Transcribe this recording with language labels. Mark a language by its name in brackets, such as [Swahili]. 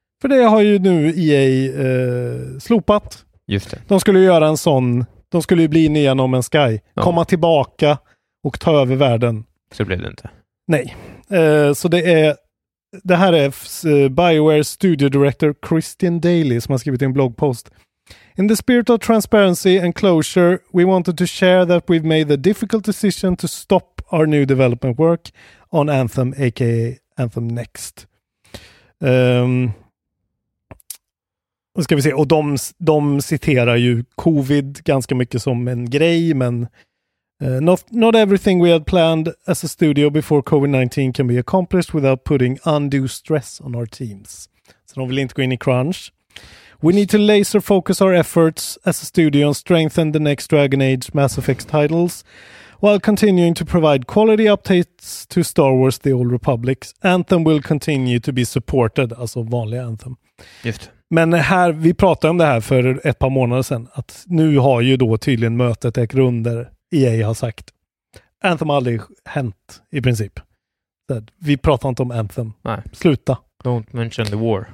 [Swedish] För det har ju nu EA slopat. Just det. De skulle ju göra en sån, de skulle ju bli nya No Man's Sky, ja, komma tillbaka och ta över världen. Så blev det inte. Nej. Så det här är BioWare Studio Director Christian Daly som har skrivit en bloggpost. [English] In the spirit of transparency and closure, we wanted to share that we've made the difficult decision to stop our new development work on Anthem, aka Anthem Next. [Swedish] Vad ska vi se? Och de citerar ju covid ganska mycket som en grej, men [English] not everything we had planned as a studio before COVID-19 can be accomplished without putting undue stress on our teams. [Swedish] Så de vill inte gå in i crunch. [English] We need to laser focus our efforts as a studio and strengthen the next Dragon Age Mass Effect titles while continuing to provide quality updates to Star Wars The Old Republic. Anthem will continue to be supported, [Swedish] alltså vanliga [English] Anthem. [Swedish] Just. Men här, vi pratade om det här för ett par månader sedan, att nu har ju då tydligen mötet ägt rum där EA har sagt Anthem har aldrig hänt i princip. Vi pratar inte om Anthem. Nej. Sluta. [English] Don't mention the war.